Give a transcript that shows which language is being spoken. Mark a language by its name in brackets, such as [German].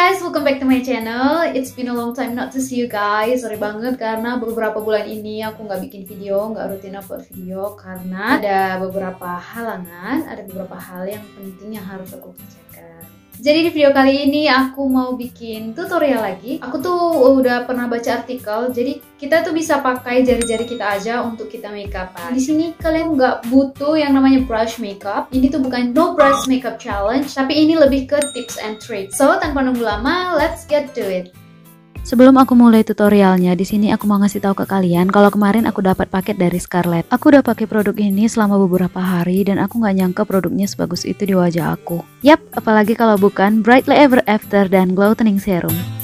[English] Welcome back to my channel. It's been a long time not to see you guys. [Indonesian] Sorry banget karena beberapa bulan ini aku gak bikin video, gak rutin upload video karena ada beberapa halangan, ada beberapa hal yang penting yang harus aku kerjakan. Jadi di video kali ini aku mau bikin tutorial lagi. Aku tuh udah pernah baca artikel, jadi kita tuh bisa pakai jari-jari kita aja untuk kita makeup-an. Di sini kalian nggak butuh yang namanya brush makeup. Ini tuh bukan no brush makeup challenge, tapi ini lebih ke tips and tricks. So, tanpa nunggu lama, [English] let's get to it. [Indonesian] Sebelum aku mulai tutorialnya, di sini aku mau ngasih tahu ke kalian kalau kemarin aku dapat paket dari Scarlett. Aku udah pakai produk ini selama beberapa hari dan aku nggak nyangka produknya sebagus itu di wajah aku. Yap, apalagi kalau bukan Brightly Ever After dan Glow Toning Serum.